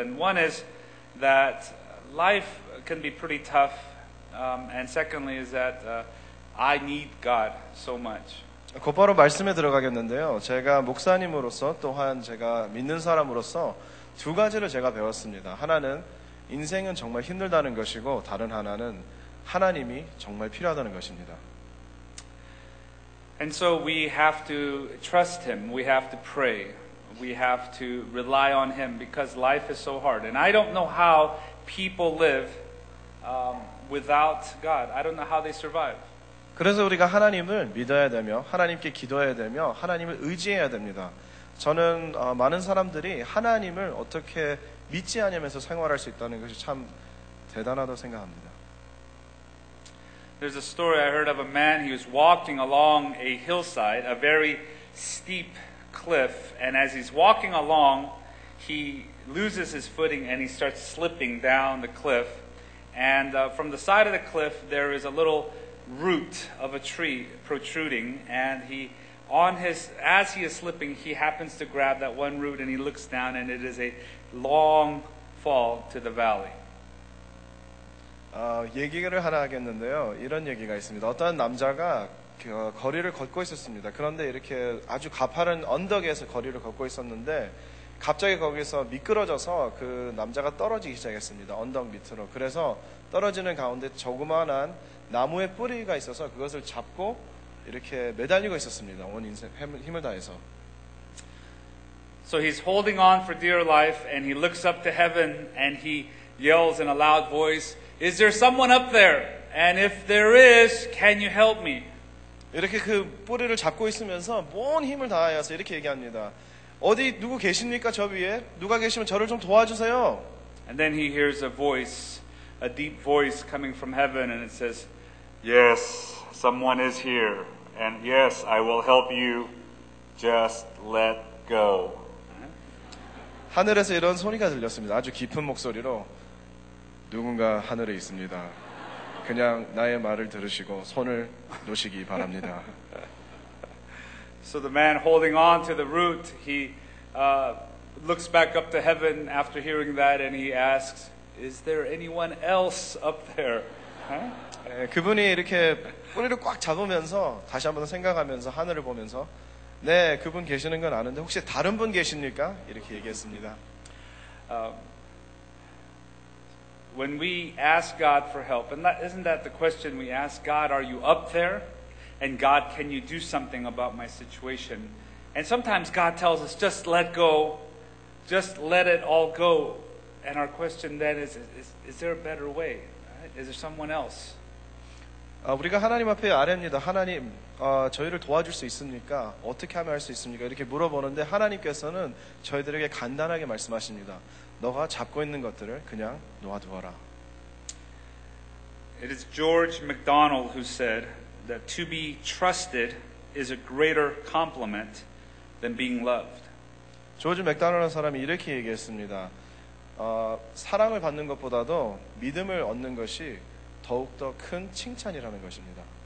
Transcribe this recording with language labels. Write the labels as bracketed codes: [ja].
[en] And one is that life can be pretty tough. And secondly is that I need God so much. [ko] 곧바로 말씀에 들어가겠는데요. 제가 목사님으로서 또한 제가 믿는 사람으로서 두 가지를 제가 배웠습니다. 하나는 인생은 정말 힘들다는 것이고 다른 하나는 하나님이 정말 필요하다는 것입니다. [en] And so we have to trust him. We have to pray. We have to rely on him because life is so hard. And I don't know how people live without God. I don't know how they survive. [ko] 그래서 우리가 하나님을 믿어야 되며 하나님께 기도해야 되며 하나님을 의지해야 됩니다. 저는 많은 사람들이 하나님을 어떻게 믿지 않으면서 생활할 수 있다는 것이 참 대단하다고 생각합니다. [en] There's a story I heard of a man. He was walking along a hillside, a very steep cliff, and as he's walking along, he loses his footing and he starts slipping down the cliff. And from the side of the cliff, there is a little root of a tree protruding, and as he is slipping, he happens to grab that one root and he looks down, and it is a long fall to the valley. [ko] 얘기를 하나 하겠는데요. 이런 얘기가 있습니다. 어떤 남자가 거리를 걷고 있었습니다. 그런데 이렇게 아주 가파른 언덕에서 거리를 걷고 있었는데 갑자기 거기서 미끄러져서 그 남자가 떨어지기 시작했습니다. 언덕 밑으로. 그래서 떨어지는 가운데 조그만한 나무의 뿌리가 있어서 그것을 잡고 이렇게 매달리고 있었습니다. 온 인생 힘을 다해서. [en] So he's holding on for dear life and he looks up to heaven and he yells in a loud voice, "Is there someone up there? And if there is, can you help me?" [ko] 이렇게 그 뿌리를 잡고 있으면서 온 힘을 다해서 이렇게 얘기합니다. 어디 누구 계십니까 저 위에? 누가 계시면 저를 좀 도와주세요. [en] And then he hears a voice, a deep voice coming from heaven, and it says, "Yes, someone is here, and yes, I will help you. Just let go." [ko] 하늘에서 이런 소리가 들렸습니다. 아주 깊은 목소리로 누군가 하늘에 있습니다. 그냥 나의 말을 들으시고 손을 놓으시기 바랍니다. [en] So the man holding on to the root, he looks back up to heaven after hearing that and he asks, "Is there anyone else up there?" [ko] 그분이 이렇게 뿌리를 꽉 잡으면서 다시 한번 생각하면서 하늘을 보면서 네, 그분 계시는 건 아는데 혹시 다른 분 계십니까? 이렇게 얘기했습니다. [en] When we ask God for help, and isn't that the question we ask God, "Are you up there? And God, can you do something about my situation?" And sometimes God tells us, "Just let go. Just let it all go." And our question then is there a better way? Is there someone else? [ko] 우리가 하나님 앞에 아뢰니다. 하나님, 저희를 도와줄 수 있습니까? 어떻게 하면 할 수 있습니까? 이렇게 물어보는데 하나님께서는 저희들에게 간단하게 말씀하십니다. 너가 잡고 있는 것들을 그냥 놓아두어라. [en] It is George MacDonald who said that to be trusted is a greater compliment than being loved. [ko] 조지 맥도널드 사람이 이렇게 얘기했습니다. 사랑을 받는 것보다도 믿음을 얻는 것이 더욱 더 큰 칭찬이라는 것입니다.